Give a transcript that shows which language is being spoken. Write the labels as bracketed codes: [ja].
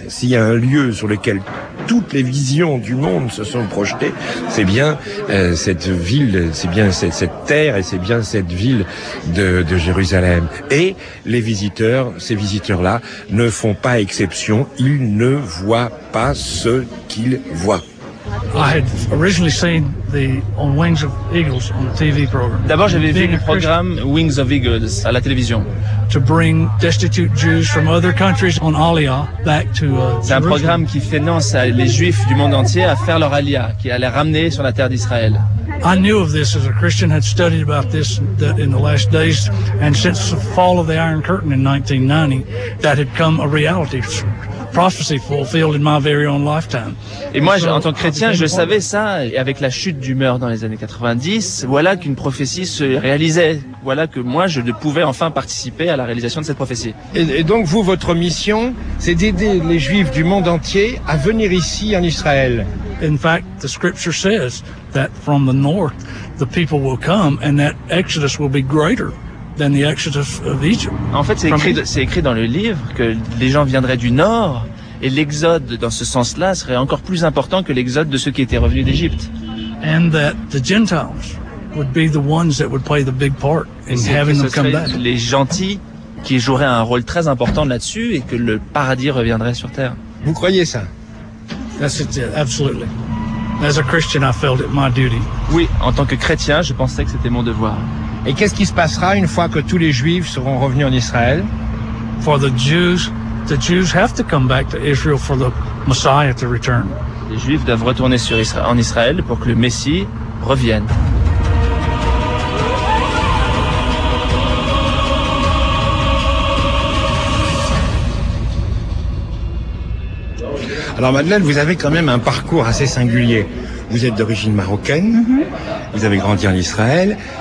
[fr] S'il y a un lieu sur lequel toutes les visions du monde se sont projetées, c'est bien cette ville, c'est bien cette terre et c'est bien cette ville de Jérusalem. Et les visiteurs, ces visiteurs-là, ne font pas exception. Ils ne voient pas ce qu'ils voient. [en] I had originally seen the On Wings of Eagles on the TV program. [fr] D'abord, j'avais vu le programme Wings of Eagles à la télévision. [en] To bring destitute Jews from other countries on Aliyah back to [fr] C'est un programme qui finance les Juifs du monde entier à faire leur Aliyah, qui allait ramener sur la terre d'Israël. [en] I knew of this as a Christian had studied about this in the last days, and since the fall of the Iron Curtain in 1990, that had come a reality. Prophecy fulfilled in my very own lifetime. [fr] Et moi, en tant que chrétien, je savais ça. Et avec la chute du mur dans les années 90, voilà qu'une prophétie se réalisait. Voilà que moi, je pouvais enfin participer à la réalisation de cette prophétie. Et donc, vous, votre mission, c'est d'aider les Juifs du monde entier à venir ici en Israël. [en] In fact, the scripture says that from the north, the people will come and that Exodus will be greater. Than the exodus of Egypt. [fr] En fait, c'est écrit dans le livre que les gens viendraient du nord et l'exode, dans ce sens-là, serait encore plus important que l'exode de ceux qui étaient revenus d'Égypte. [en] And that the Gentiles would be the ones that would play the big part in having them come back. [fr] Les gentils qui joueraient un rôle très important là-dessus et que le paradis reviendrait sur terre. Vous croyez ça? [en] That's it, absolutely. As a Christian, I felt it my duty. [fr] Oui, en tant que chrétien, je pensais que c'était mon devoir. Et qu'est-ce qui se passera une fois que tous les Juifs seront revenus en Israël? [en] For the Jews have to come back to Israel for the Messiah to return. [fr] Les Juifs doivent retourner en Israël pour que le Messie revienne. Alors Madeleine, vous avez quand même un parcours assez singulier. Vous êtes d'origine marocaine, vous avez grandi en Israël.